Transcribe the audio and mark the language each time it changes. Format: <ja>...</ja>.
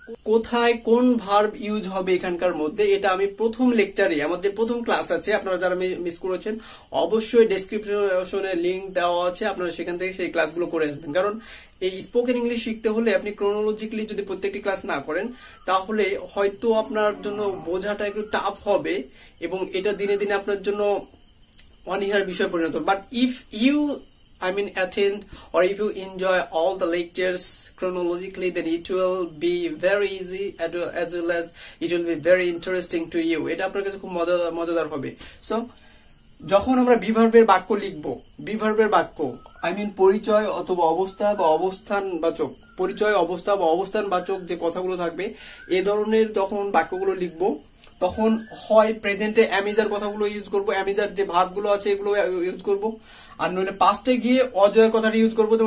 <bn>কোথায় কোন verb use হবে এখানকার মধ্যে, এটা আমি প্রথম লেকচারে, আমার যে প্রথম ক্লাস আছে, আপনারা যারা মিস করেছেন অবশ্যই ডেসক্রিপশনে লিংক দেওয়া আছে, আপনারা সেখান থেকে সেই ক্লাসগুলো করে আসবেন। কারণ এই স্পোকেন ইংলিশ শিখতে হলে আপনি ক্রোনোলজিক্যালি যদি প্রত্যেকটি ক্লাস না করেন তাহলে হয়তো আপনার জন্য বোঝাটা একটু টাফ হবে, এবং এটা দিনে দিনে আপনার জন্য অনিহার বিষয় পরিণত।</bn> <en>But if you I mean attend or if you enjoy all the lectures chronologically, then it will be very easy as well as it will be very interesting to you.</en> <bn>এটা আপনার কাছে খুব মজাদার হবে। সো যখন আমরা ভার্বের বাক্য লিখব, ভার্বের বাক্য আই মিন পরিচয় অথবা অবস্থা বা অবস্থান বাচক, পরিচয় অবস্থা বা অবস্থান বাচক যে কথাগুলো থাকবে এ ধরনের যখন বাক্যগুলো লিখব, তখন হয় প্রেজেন্টে অ্যামিজার কথাগুলো ইউজ করবো, অ্যামিজার যে ভার্বগুলো আছে এগুলো ইউজ করবো, আর নইলে পাস্টে গিয়ে অজয়ের কথাটা ইউজ করবো।</bn>